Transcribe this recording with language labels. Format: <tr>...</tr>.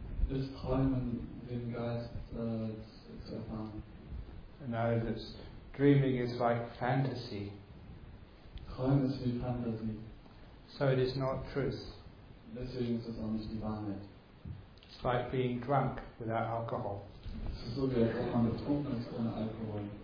<de>Is träumen den Geist zu erfahren?</de> <en>No, that's dreaming is like fantasy.</en> <de>Träumen ist wie Fantasy.</de> <en>So it is not truth.</en> <de>Deswegen ist es auch nicht die Wahrheit.</de> <en>It's like being drunk without alcohol.</en> <de>Es ist so, wie wenn man betrunken ist ohne Alkohol.</de>